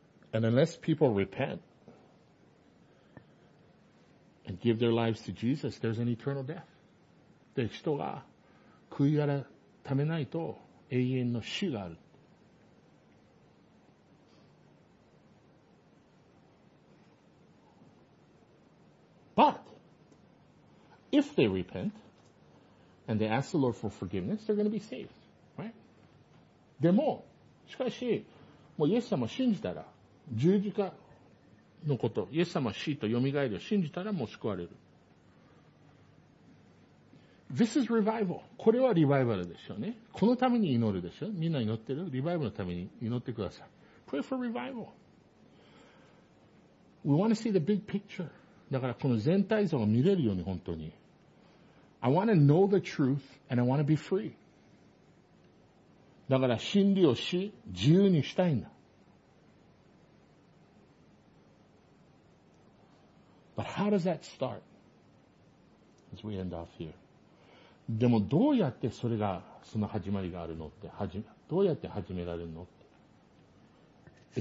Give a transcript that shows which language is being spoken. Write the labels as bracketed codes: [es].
[en] And unless people repent and give their lives to Jesus, there's an eternal death. [ja] で、人が悔い改めないと永遠の死がある。 [en] But if they repent and they ask the Lord for forgiveness, they're going to be saved, right? [ja] でも、しかし、もうイエス様を信じたら、十字架のこと、イエス様は死と蘇りを信じたらもう救われる。 [en] This is revival. [ja] これはリバイバルですよね。このために祈るでしょ。みんな祈ってる？リバイバルのために祈ってください。 [en] Pray for revival. We want to see the big picture. [ja] だからこの全体像を見れるように本当に。 [en] I want to know the truth and I want to be free. [ja] だから真理を知、自由にしたいんだ。 [en] But how does that start? As we end off here. [ja] でもどうやってそれが、その始まりがあるのって、どうやって始められるのって。